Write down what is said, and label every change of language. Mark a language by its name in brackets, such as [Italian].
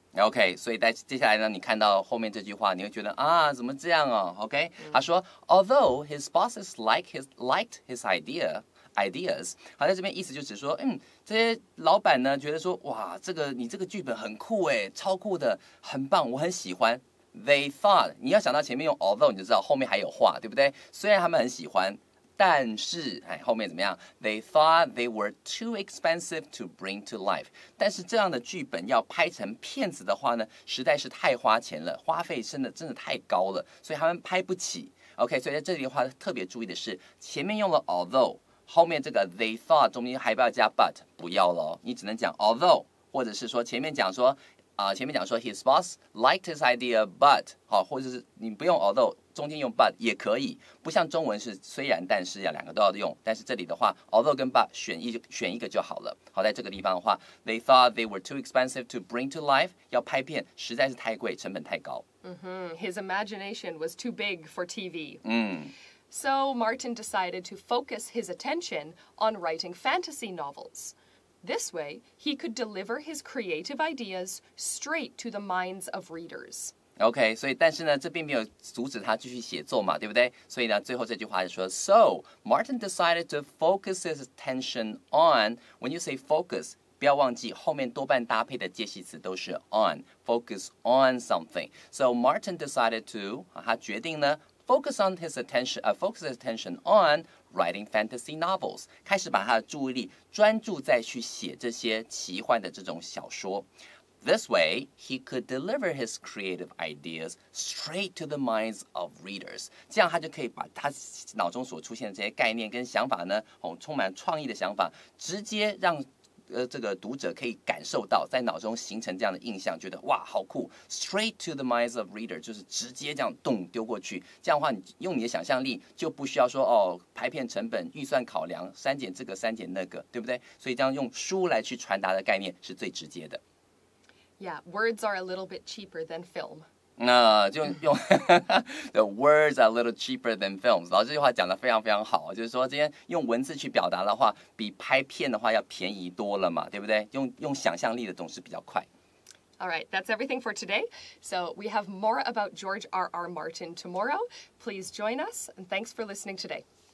[Chinese] Okay, 所以在接下来呢，你看到后面这句话，你会觉得啊，怎么这样哦 ？Okay, 他说 ， [English] although his bosses liked his ideas， [Chinese] 好，在这边意思就是说，这些老板呢觉得说，哇，这个你这个剧本很酷哎，超酷的，很棒，我很喜欢。 [English] They thought， [Chinese] 你要想到前面用 although， 你就知道后面还有话，对不对？虽然他们很喜欢。但是，哎，后面怎么样 ？ [English] They thought they were too expensive to bring to life. [Chinese] 但是这样的剧本要拍成片子的话呢，实在是太花钱了，花费真的太高了，所以他们拍不起。 OK， 所以在这里的话特别注意的是，前面用了 although， 后面这个 they thought 中间还不要加 but， 不要了，你只能讲 although， 或者是说前面讲说。前面讲说 [English] his boss liked his idea but [Chinese] 好，或者是你不用 although， 中间用 but 也可以，不像中文是虽然但是两个都要用，但是这里的话 although 跟 but 选一个就好了。好，在这个地方的话 [English] they thought they were too expensive to bring to life， [Chinese] 要拍片实在是太贵，成本太高。 [English] His imagination was too big for TV. So Martin decided to focus his attention on writing fantasy novels. This way, he could deliver his creative ideas straight to the minds of readers. [Chinese] Okay, 所以但是呢，这并没有阻止他继续写作嘛，对不对？所以呢，最后这句话就说 [English] ，So Martin decided to focus his attention on. When you say focus, [Chinese] 不要忘记后面多半搭配的介系词都是 on. [English] Focus on something. So Martin decided to. [Chinese] 他决定呢 [English] ，focus on his attention. Focus his attention on. Writing fantasy novels， [Chinese] 开始把他的注意力专注在去写这些奇幻的这种小说。 [English] This way, he could deliver his creative ideas straight to the minds of readers. [Chinese] 这样他就可以把他脑中所出现的这些概念跟想法呢，充满创意的想法，直接让这个读者可以感受到，在脑中形成这样的印象，觉得哇好酷 ， [English] straight to the minds of reader， [Chinese] 就是直接这样动丢过去。这样的话，你用你的想象力就不需要说哦，拍片成本、预算考量、删减这个、删减那个，对不对？所以这样用书来去传达的概念是最直接的。 [English] Yeah, words are a little bit cheaper than film. [Chinese] 那就用 [English] the words are a little cheaper than films. [Chinese] 老师这句话讲得非常非常好，就是说这边用文字去表达的话，比拍片的话要便宜多了嘛，对不对？用想象力的总是比较快。 [English] All right, that's everything for today. So we have more about George R.R. Martin tomorrow. Please join us, and thanks for listening today.